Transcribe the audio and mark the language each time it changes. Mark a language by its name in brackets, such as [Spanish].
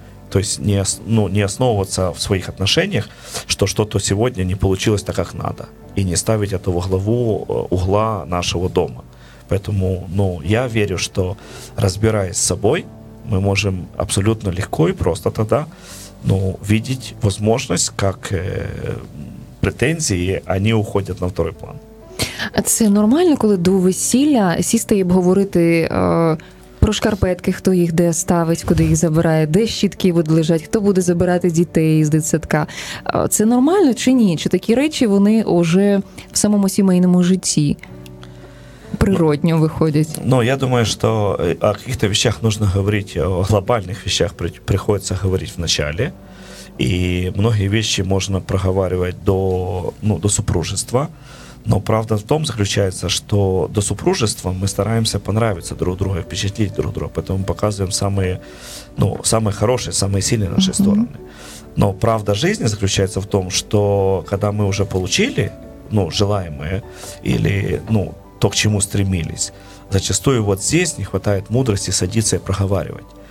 [Russian] То есть не основываться в своих отношениях, что что-то сегодня не получилось так, как надо, и не ставить это во главу угла нашего дома. Поэтому я верю, что разбираясь с собой, мы можем абсолютно легко и просто тогда видеть возможность, как претензии, они уходят на второй план. [Ukrainian] А це нормально, коли до весілля сісти і обговорити про шкарпетки, хто їх де ставить, куди їх забирає, де щітки будуть лежати, хто буде забирати дітей із дитсадка? Це нормально чи ні? Чи такі речі вони вже в самому сімейному житті природньо виходять? [Russian] Я думаю, що о каких-то вещах нужно говорити, о глобальних вещах приходиться говорити вначале. [Ukrainian] І многі вещи можна проговорювати до супружества. [Russian] Но правда в том заключается, что до супружества мы стараемся понравиться друг другу, впечатлить друг друга, поэтому мы показываем самые хорошие, самые сильные наши стороны. Но правда жизни заключается в том, что когда мы уже получили желаемое или то, к чему стремились, зачастую вот здесь не хватает мудрости садиться и проговаривать.